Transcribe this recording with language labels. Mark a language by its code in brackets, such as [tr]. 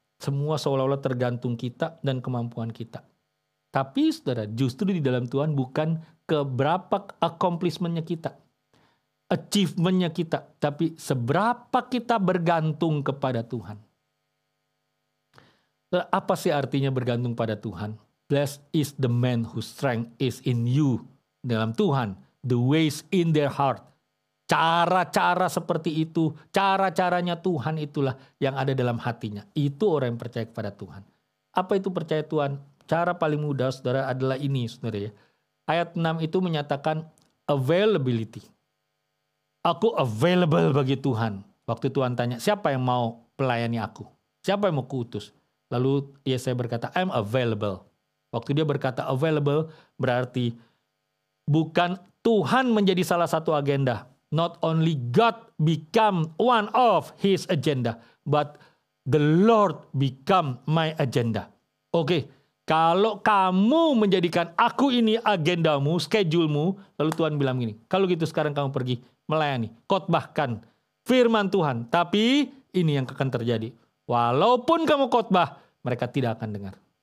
[id] Semua seolah-olah tergantung kita dan kemampuan kita. Tapi saudara, justru di dalam Tuhan bukan keberapa accomplishment-nya kita, achievement-nya kita, tapi seberapa kita bergantung kepada Tuhan. Apa sih artinya bergantung pada Tuhan? [en] Blessed is the man whose strength is in you. [id] Dalam Tuhan, [en] the ways in their heart. [id] Cara-cara seperti itu, cara-caranya Tuhan itulah yang ada dalam hatinya. Itu orang yang percaya kepada Tuhan. Apa itu percaya Tuhan? Cara paling mudah, saudara, adalah ini, saudara, ya. Ayat 6 itu menyatakan availability. Aku available bagi Tuhan. Waktu Tuhan tanya, siapa yang mau pelayani aku? Siapa yang mau kuutus? Lalu Yesaya berkata, [en] I'm available. [id] Waktu dia berkata available, berarti bukan Tuhan menjadi salah satu agenda. [en] Not only God become one of his agenda, but the Lord become my agenda. [id] Oke, kalau kamu menjadikan aku ini agendamu, schedule-mu, lalu Tuhan bilang gini, kalau gitu sekarang kamu pergi melayani, khotbahkan firman Tuhan. Tapi ini yang akan terjadi. Walaupun kamu khotbah, mereka tidak akan dengar.